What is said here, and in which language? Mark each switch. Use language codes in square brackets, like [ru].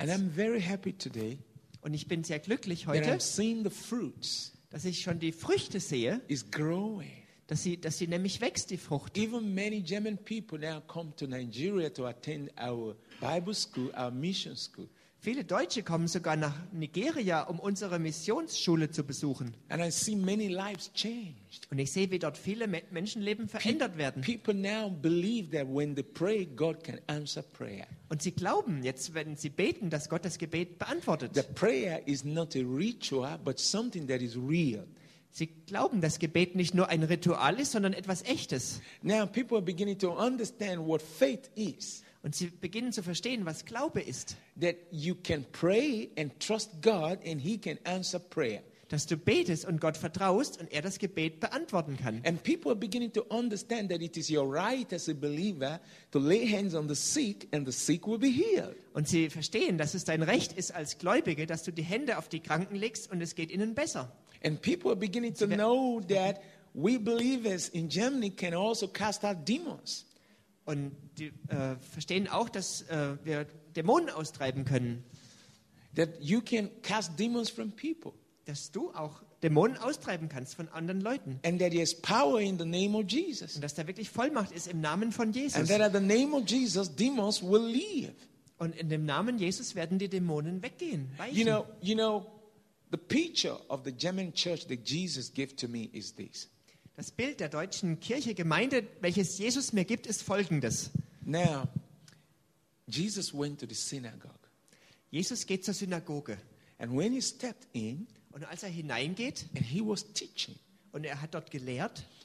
[en] And I'm very happy today. [de] Und ich bin sehr glücklich heute. [en] That I've seen the fruits. [de] Dass ich schon die Früchte sehe. [en] Is growing. [de] Dass sie nämlich wächst, die Frucht. [en] Even many German people now come to Nigeria to attend our Bible school, our mission school. [de] Viele Deutsche kommen sogar nach Nigeria, um unsere Missionsschule zu besuchen. [en] And I see many lives changed. [de] Und ich sehe, wie dort viele Menschenleben verändert werden. [en] People now believe that when they pray, God can answer prayer. [de] Und sie glauben jetzt, wenn sie beten, dass Gott das Gebet beantwortet. [en] The prayer is not a ritual, but something that is real. [de] Sie glauben, dass Gebet nicht nur ein Ritual ist, sondern etwas Echtes. [en] Now people are beginning to understand what faith is. [de] Und sie beginnen zu verstehen, was Glaube ist. [en] That you can pray and trust God and he can answer prayer. [de] Dass du betest und Gott vertraust und er das Gebet beantworten kann. [en] And people are beginning to understand that it is your right as a believer to lay hands on the sick and the sick will be healed. [de] Und sie verstehen, dass es dein Recht ist als Gläubige, dass du die Hände auf die Kranken legst und es geht ihnen besser. [en] And people are beginning to know that we believers in Germany can also cast out demons. [de] Und die verstehen auch, dass wir Dämonen austreiben können. [en] That you can cast demons from people. [de] Dass du auch Dämonen austreiben kannst von anderen Leuten. [en] And that there is power in the name of Jesus. [de] Und dass da wirklich Vollmacht ist im Namen von Jesus. [en] And that in the name of Jesus, demons will leave. [de] Und in dem Namen Jesus werden die Dämonen weggehen. Weichen. [en] You know, the picture of the German church that Jesus gave to me is this. [de] Das Bild der deutschen Kirche Gemeinde, welches Jesus mir gibt, ist folgendes. [en] Now, Jesus went to the synagogue. [de] Jesus geht zur Synagoge. [en] And when he stepped in, [de] und als er hineingeht, [en] and he was teaching, [de] und er hat dort gelehrt,